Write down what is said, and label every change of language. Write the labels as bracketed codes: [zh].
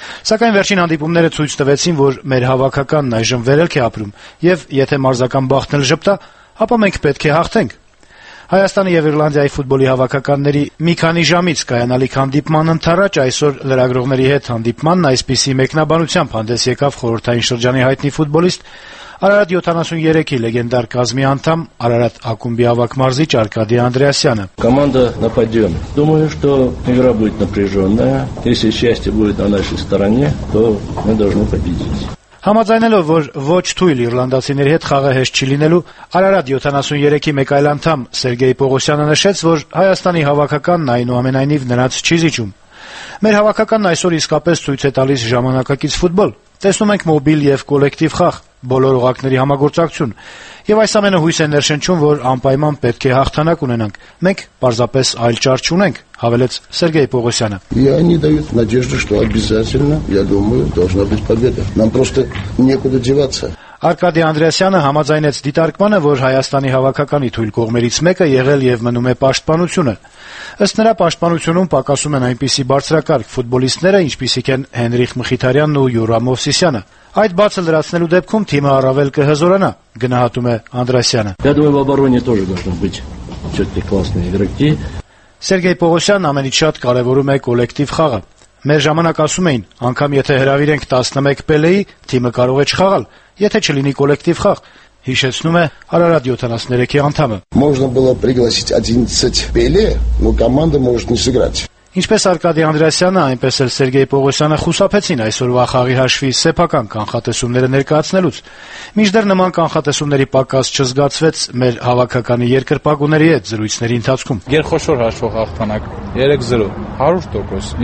[hy] Սակայն վերջին հանդիպումները ցույց տվեցին, որ մեր հավաքականն այժմ վերելք է ապրում, և եթե մարզական բախտն էլ ժպտա, ապա մենք պետք է հաղթենք։ Հայաստանի և Իրլանդիայի ֆուտբոլի հավաքականների մի քանի ժամից կայանալիք հանդիպման ընթարաջ այսօր լրագրողների հետ հանդիպմանն այսպիսի մեկնաբանությամբ հանդես եկավ խորհրդային շրջանի հայտնի ֆուտբոլիստ Արարատ 73-ի լեգենդար կազմի անդամ Արարատ Ակումբի ավակ մարզիչ Արկադի Անդրեասյանը։ [ru] Команда на подъём. Думаю, что игра будет напряжённая. Если счастье будет на нашей стороне, то мы должны победить. [hy] Համաձայնելով, որ ոչ թույլ իրլանդացիների հետ խաղը հեշտ չի լինելու, Արարատ 73-ի մեկ այլ անդամ Սերգեյ Պողոսյանը նշեց, որ Հայաստանի հավաքականն այնուամենայնիվ նրանց չի զիջում։ Մեր հավաքականն այսօր իսկապես ցույց է տալիս ժամանակակից ֆուտբոլ։ Տեսնում ենք մոբիլ և կոլեկտիվ խաղ, բոլոր ուղակների համագործակցություն, և այս ամենը հույս է ներշնչում, որ անպայման պետք է հաղթանակ ունենանք։ Մենք պարզապես այլ ճար չունենք, հավելեց Սերգեյ Պողոսյանը։ [ru] Они дают надежду, что обязательно, я думаю, должна быть победа. Нам просто некуда деваться. [hy] Արկադի Անդրեասյանը համաձայնեց դիտարկմանը, որ Հայաստանի հավաքականի թույլ կողմերից մեկը եղել և մնում է պաշտպանությունը։ Ըստ նրա, պաշտպանությունում պակասում են այնպիսի բարձրակարգ ֆուտբոլիստները, ինչպիսիք են Հենրիխ Մխիթարյանն ու Յուրա Մովսիսյանը։ Այդ բացը լրացնելու դեպքում թիմը առավել կհզորանա, գնահատում է Անդրեասյանը։ Սերգեյ Պողոսյանը ամենից շատ կարևորում է կոլեկտիվ խաղը։ Մեր ժամանակ ասում էին, անգամ եթե հրավիրենք 11 պելեի, թիմը կարող է չխաղալ, եթե չլինի կոլեկտիվ խաղ, հիշեցնում է Արարատ 73-ի անդամը։ [ru] Можно было пригласить 11 Пеле, но команда может не сыграть. [hy] Ինչպես Արկադի Անդրեասյանը, այնպես էլ Սերգեյ Պողոսյանը խուսափեցին այսօրվա խաղի հաշվի սեփական կանխատեսումները ներկայացնելուց։ Մինչդեռ նման կանխատեսումների պակաս չզգացվեց մեր հավաքականի երկրպագուների հետ զրույցների ընթացքում։ Գերխոշոր հաշվող հաղթանակ 3-0 100%.